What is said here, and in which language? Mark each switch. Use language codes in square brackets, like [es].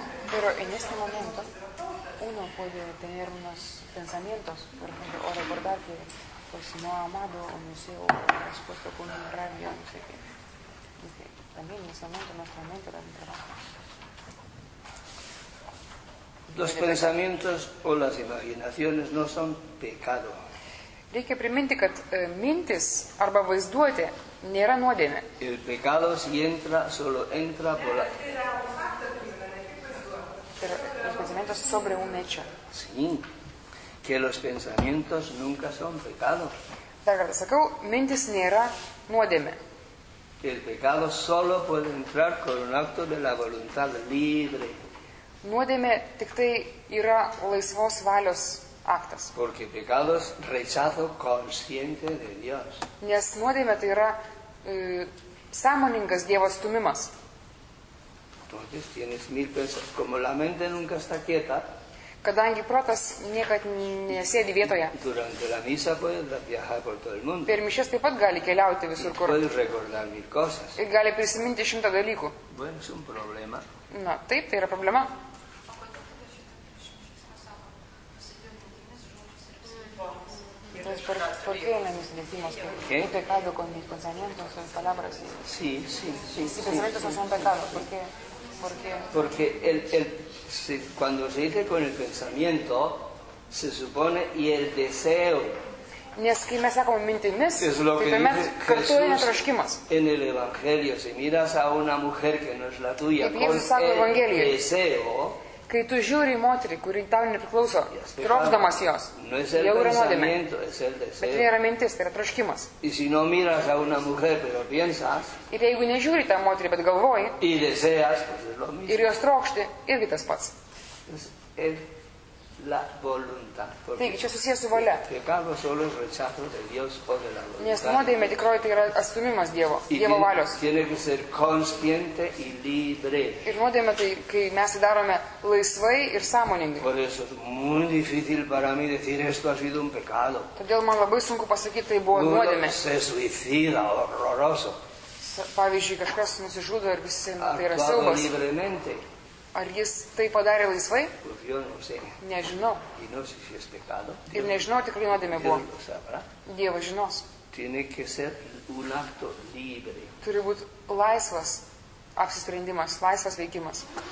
[es] Pero en este momento uno puede tener unos pensamientos, por ejemplo, o recordar que pues no ha amado o no sé, o ha expuesto con una rabia, no sé qué. También en ese momento nuestra mente también trabaja. Los pensamientos o las imaginaciones no son pecado. [lt] Reikia priminti, kad mintis arba vaizduotė nėra nuodėmė. [es] El pecado si entra, solo entra por la... Pero los pensamientos sobre un hecho. Sí, que los pensamientos nunca son pecado. [lt] Dar kartą sakau, mintis nėra nuodėmė. [es] El pecado solo puede entrar con un acto de la voluntad libre. [lt] Nuodėmė tik tai yra laisvos valios aktas. [es] Porque pecado es rechazo consciente de Dios. [lt] Nes nuodėmė tai yra sąmoningas Dievo stumimas. [es] Entonces tienes mil pensamientos. Como la mente nunca está quieta. [lt] Kadangi protas niekad nesėdi vietoje. [es] Durante la misa puede viajar por todo el mundo. [lt] Per mišias taip pat gali keliauti visur kur. [es] Puede recordar mil cosas. [lt] Ir gali prisiminti šimtą dalykų. [es] Bueno, es un problema. [lt] Na, taip, tai yra problema. [es] ¿Por qué en mis decimos que he pecado con mis pensamientos o palabras? Sí, sí, sí. Si pensamientos no son pecados, ¿por qué? Porque cuando se dice con el pensamiento, se supone y el deseo. [lt] Nes kai mes sakome mintimis, [es] es lo que [lt] tai kartu yra troškimas. [es] En el evangelio, si miras a una mujer que no es la tuya, con el deseo, [lt] kai tu žiūri į moterį, kuri tau nepriklauso, trokšdamas jos, [es] no es el pensamiento, es el deseo. [lt] Bet tai yra mintis, tai yra troškimas. [es] Y si no miras a una mujer, pero piensas, [lt] ir jeigu nežiūri tą moterį, bet galvoji, [es] y deseas, pues es lo mismo. [lt] Ir jos trokšti, irgi tas pats. [es] Es el, la voluntad. [lt] Taigi, čia susijęs su valia. [es] Pecado solo es rechazo de Dios o de la voluntad. [lt] Nes nuodėmė tikroji tai yra atstumimas Dievo, [es] y [lt] Dievo valios. [es] Tiene que ser consciente y libre. [lt] Ir nuodėmė tai, kai mes darome laisvai ir sąmoningai. [es] Por eso es muy difícil para mí decir esto ha sido un pecado. [lt] Todėl man labai sunku pasakyti, tai buvo nuodėmė. [es] Uno se suicida, horroroso. [lt] Pavyzdžiui, kažkas nusižudo ir visi tai yra siaubas. [es] Actuado libremente. [lt] Ar jis tai padarė laisvai? [es] No sé. [lt] Nežinau. [es] Y no sé si es pecado. [lt] Ir nežinau, tikrai nuodėmė buvo. Dievas žinos. [es] Tiene que ser un acto libre. [lt] Turi būti laisvas apsisprendimas, laisvas veikimas.